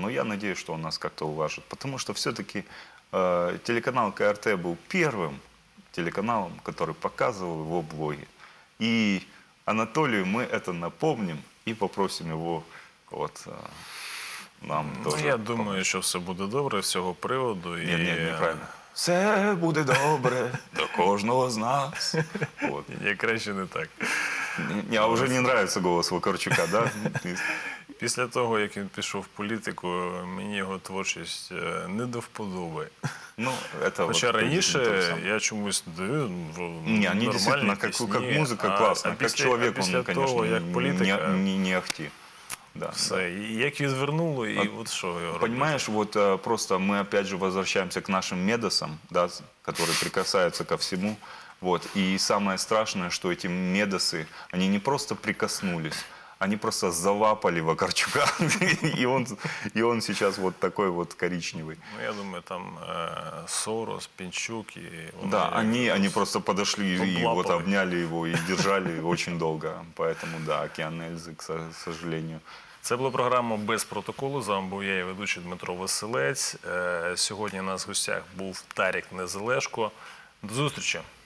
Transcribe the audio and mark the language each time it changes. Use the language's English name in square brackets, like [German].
[Russian] Но я надеюсь, что он нас как-то уважит. Потому что все-таки телеканал КРТ был первым телеканалом, который показывал его блоги. И Анатолию мы это напомним и попросим его вот, нам тоже. Я думаю, что все будет хорошо с этого привода. Нет, неправильно. [Ukrainian] Все буде добре до кожного з нас. Вот. Ні, краще не так. Ні, а вже не нравится голос Вакарчука, да? Після того, як він пішов в політику, мені його творчість не до вподоби. [Russian] Ну, это [Ukrainian] хоча вот, раніше я чомусь даю в нормальній пісні. Ні, дійсно, як музика класна, як чоловік, він, звісно, не ахті. [Russian] Да, все. Да. И как извернуло, и а, вот что. Понимаешь, вот просто мы опять же возвращаемся к нашим медосам, да, которые прикасаются ко всему. Вот. И самое страшное, что эти медосы, они не просто прикоснулись, они просто залапали Вакарчука. И он сейчас вот такой вот коричневый. Ну, я думаю, там Сорос, Пинчук. И да, они просто подошли и вот обняли его и держали очень долго. Поэтому, да, Океан Эльзы, к сожалению. [Ukrainian] Це була програма «Без протоколу». З вами був я і ведучий Дмитро Василець. Сьогодні у нас в гостях був Тарік Незалежко. До зустрічі!